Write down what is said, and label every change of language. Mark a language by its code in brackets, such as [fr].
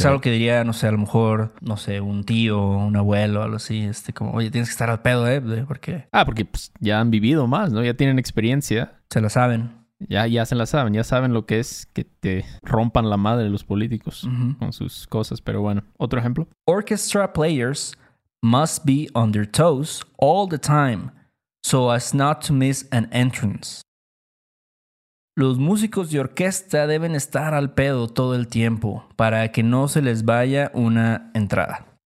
[es] Es algo que diría, no sé, a lo mejor, no sé, un tío, un abuelo, algo así. Como, oye, tienes que estar al pedo, ¿eh? ¿Por qué? Ah, porque pues, ya han vivido más, ¿no? Ya tienen experiencia. Se la saben. Ya se la saben. Ya saben lo que es que te rompan la madre los políticos con sus cosas. Pero bueno, otro ejemplo. [en] Orchestra players must be on their toes all the time so as not to miss an entrance. [es] Los músicos de orquesta deben estar al pedo todo el tiempo para que no se les vaya una entrada.